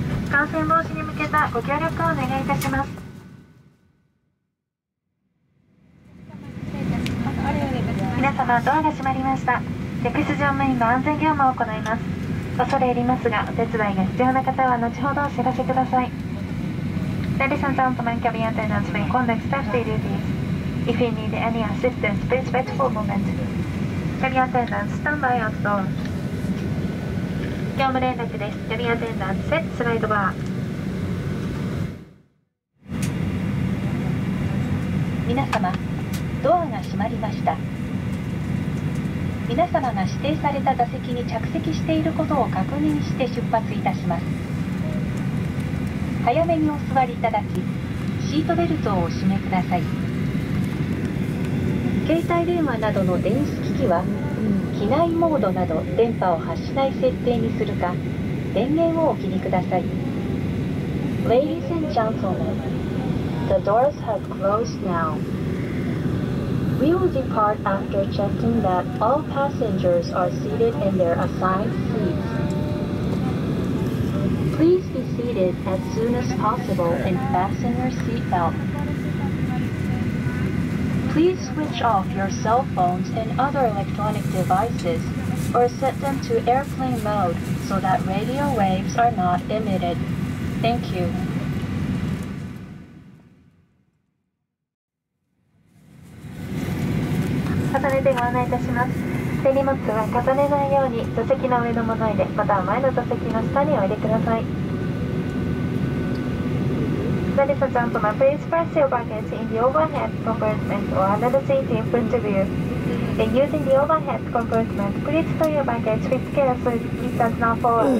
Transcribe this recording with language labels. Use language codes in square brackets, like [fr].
[ja] 感染防止に向けたご協力をお願いいたします。皆様ドアが閉まりました。客室乗務員の安全業務を行います。恐れ入りますが、お手伝いが必要な方は後ほどお知らせください。 [en] Ladies and gentlemen, cabin attendants may conduct staff duties. If you need any assistance, please wait for a moment. Cabin attendants, stand by at door. [ja] 業務連絡です。 [en] cabin attendants, set slide bar. [ja] 皆様、ドアが閉まりました。皆様が指定された座席に着席していることを確認して出発いたします。早めにお座りいただき、シートベルトをお締めください。携帯電話などの電子機器は機内モードなど電波を発しない設定にするか、電源をお切りください。 [en] Ladies and gentlemen, the doors have closed now. We will depart after checking that all passengers are seated in their assigned seats. Please be seated as soon as possible and fasten your seatbelt. Please switch off your cell phones and other electronic devices or set them to airplane mode so that radio waves are not emitted. Thank you. [ja] ご案内いたします。手荷物は重ねないように座席の上のもので、または前の座席の下にお入れください。 [en] Ladies and gentlemen, please press your baggage in the overhead compartment or another seat in front of you. And using the overhead compartment, please store your baggage with care so it does not fall.